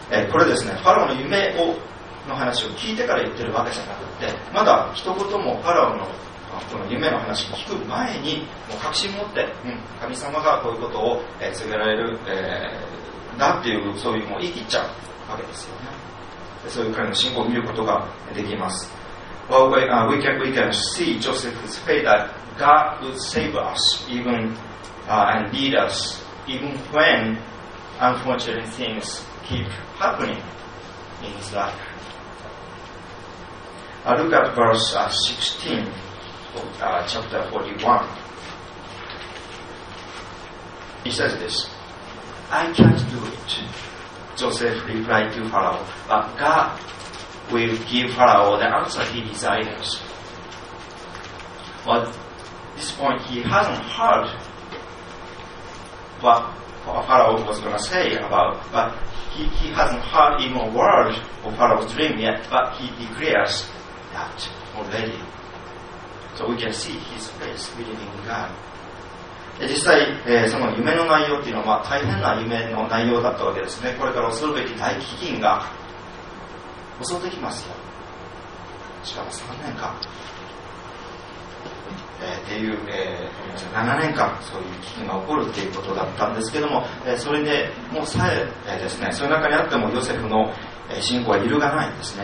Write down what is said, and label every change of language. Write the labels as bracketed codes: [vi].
[ja] これですねファラオの夢をの話を聞いてから言ってるわけじゃなくて、まだ一言もファラオのこの夢の話を聞く前にもう確信持って、うん、神様がこういうことを告げられる、だっていうそういうもう言い切っちゃうわけですよね。そういう彼の信仰を見ることができます。 [en] Well, we can see Joseph's faith that God would save us even and lead us even when unfortunate things keep happening in his lifeLook at verse 16 of chapter 41. He says this, I can't do it, Joseph replied to Pharaoh, but God will give Pharaoh the answer he desires. But at this point, he hasn't heard what Pharaoh was going to say about, but he hasn't heard even a word of Pharaoh's dream yet, but he declaresThat already. So we can see his face believing God. [ja] 実際、その夢の内容というのは大変な夢の内容だったわけですね。これから恐るべき大飢饉が襲ってきますよ。しかも3年間、ていう、7年間そういう危機が起こるということだったんですけども、それでもうさええー、ですね、その中にあってもヨセフの信仰は揺るがないんですね。